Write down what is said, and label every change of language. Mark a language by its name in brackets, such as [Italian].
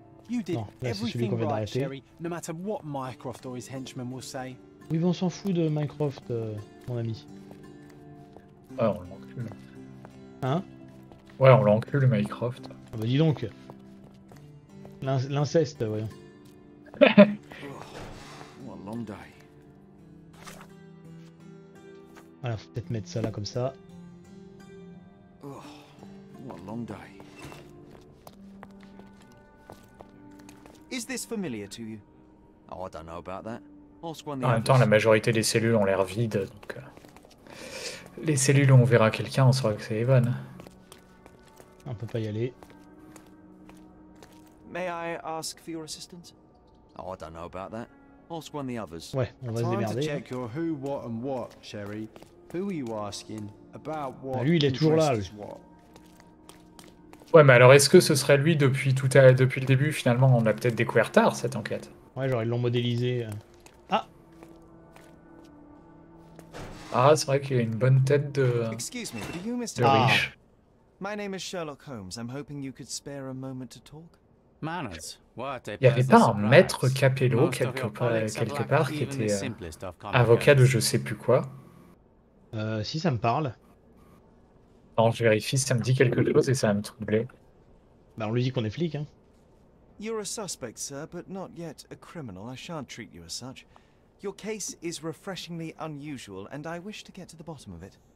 [English] You did everything right, Sherry, no matter what Mycroft or his henchmen will say. [French] Oui, mais on s'en fout de Mycroft, mon ami. Ouais, on l'encule. Hein ? Ouais, on l'encule, Mycroft. Ah bah dis donc. L'inceste, voyons. [English] Oh, what a long day. [French] Voilà, faut peut-être mettre ça là, comme ça. [English] Oh, what a long day. Is this familiar to you? Oh, I don't know about that. Ask one the [French] en même temps, la majorité des cellules ont l'air vides, donc... les cellules où on verra quelqu'un, on saura que c'est Evan. On peut pas y aller. [English] May I ask for your assistance? Oh, I don't know about that. Ask one the others. [French] Ouais, on va se démerder. [English] Time to check your who, what and what, Sherry. Who are you asking? About what? [French] Bah lui, il est toujours là. Lui. Ouais, mais alors est-ce que ce serait lui depuis tout à depuis le début? Finalement, on l'a peut-être découvert tard cette enquête. Ouais, genre ils l'ont modélisé. Ah. Ah, c'est vrai qu'il a une bonne tête de. [English] Excuse me, but are you Mr. [French] De riche. [English] My name is Sherlock Holmes. I'm hoping you could spare a moment to talk. Manners. [French] Il y avait pas un maître Capello quelque part qui était avocat de je sais plus quoi? Si ça me parle. Non, je vérifie si ça me dit quelque chose et ça va me troubler. Bah on lui dit qu'on est flic, hein. [English] You're a suspect, sir, but not yet a criminal. I shan't treat you as such. Your case is refreshingly unusual, and I wish to get to the bottom of it.